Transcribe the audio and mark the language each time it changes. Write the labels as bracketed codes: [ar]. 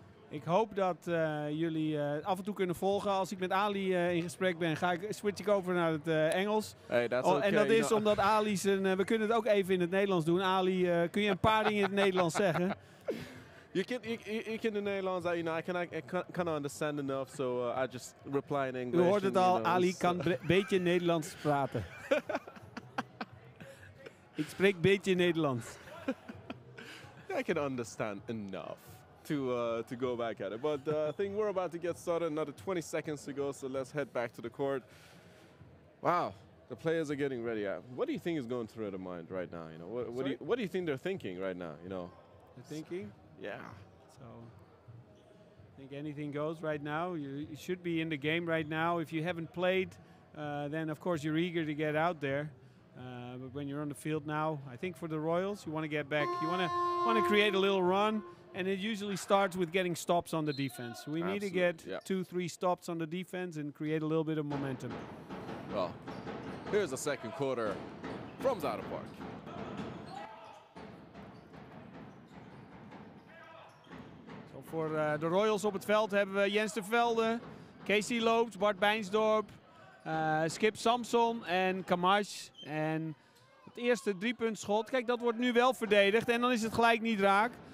[nl] Ik hoop dat jullie af en toe kunnen volgen. Als ik met Ali in gesprek ben, switch ik over naar het Engels. [en] Hey, that's okay. [nl] En dat is omdat Ali zijn... we kunnen het ook even in het Nederlands doen. Ali, kun je een paar dingen in het Nederlands zeggen? [en] You can in Nederlands, you know, I can understand enough, so I just reply in English. [nl] U hoort het al, Ali kan beetje Nederlands praten. Ik spreek beetje Nederlands. [en] I can understand enough. To go back at it, but I think we're about to get started. Another 20 seconds to go, so let's head back to the court. Wow, the players are getting ready. What do you think is going through their mind right now? You know, what do you think they're thinking right now? You know, they're thinking. So, yeah. So, I think anything goes right now. You should be in the game right now. If you haven't played, then of course you're eager to get out there. But when you're on the field now, I think for the Royals, you want to get back. You want to create a little run. And it usually starts with getting stops on the defense. We Need to get two, three stops on the defense and create a little bit of momentum. Well, here's the second quarter from Zara Park. So for the Royals [nl] op het veld hebben we Jens de Velde, Casey Loops, Bart Bijnsdorp, Skip Samson en Kamaj. En het eerste driepuntschot, kijk, dat wordt nu wel verdedigd en dan is het gelijk niet raak.